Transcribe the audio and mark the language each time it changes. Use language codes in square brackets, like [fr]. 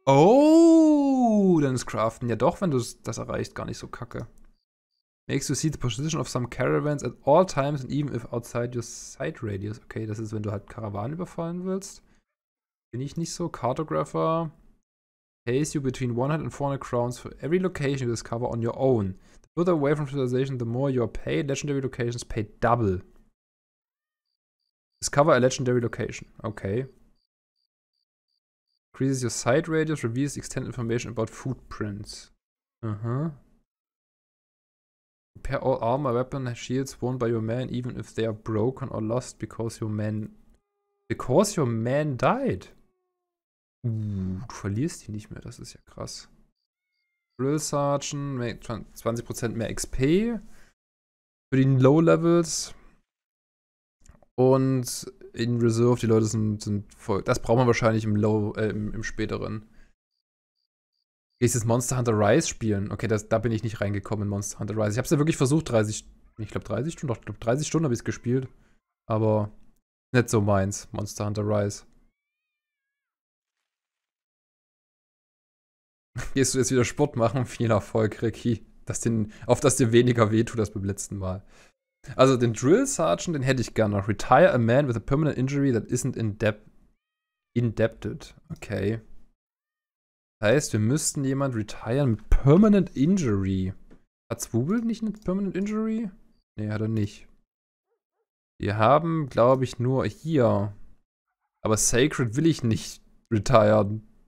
[de] Oh, dann ist Craften ja doch, wenn du das erreichst, gar nicht so kacke. [en] Makes you see the position of some caravans at all times and even if outside your sight radius. [de] Okay, das ist, wenn du halt Karawanen überfallen willst. Bin ich nicht so. Cartographer. [en] Pays you between 100 and 400 crowns for every location you discover on your own. The further away from civilization, the more you are paid. Legendary locations pay double. Discover a legendary location. Okay. Increases your sight radius, reveals extended information about footprints. Uh-huh. Repair all armor, weapon, shields worn by your man, even if they are broken or lost because your man died. [de] Du verlierst die nicht mehr, das ist ja krass. Drill Sergeant, 20% mehr XP für die Low Levels. Und in Reserve, die Leute sind voll. Das braucht man wahrscheinlich im Low, im späteren. Gehst jetzt Monster Hunter Rise spielen? Okay, da bin ich nicht reingekommen in Monster Hunter Rise. Ich hab's ja wirklich versucht, 30 Stunden habe ich es gespielt. Aber nicht so meins, Monster Hunter Rise. Gehst du jetzt wieder Sport machen? Viel Erfolg, Ricky. Auf dass dir weniger wehtut als beim letzten Mal. Also den Drill Sergeant, den hätte ich gerne noch. [en] Retire a man with a permanent injury that isn't indebted. Okay. [de] Das heißt, wir müssten jemanden retiren mit permanent injury. Hat Zwubel nicht eine permanent injury? Nee, hat er nicht. Wir haben, glaube ich, nur hier. Aber Sacred will ich nicht retiren.